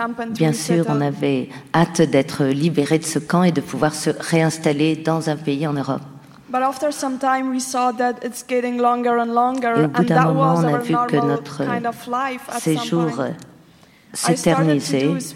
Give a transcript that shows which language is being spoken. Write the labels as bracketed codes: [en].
[fr] Bien sûr, on avait hâte d'être libérés de ce camp et de pouvoir se réinstaller dans un pays en Europe. [en] But after some time, we saw that it's getting longer and longer. [fr] Et au bout d'un moment, on a vu que notre séjour s'éternisait.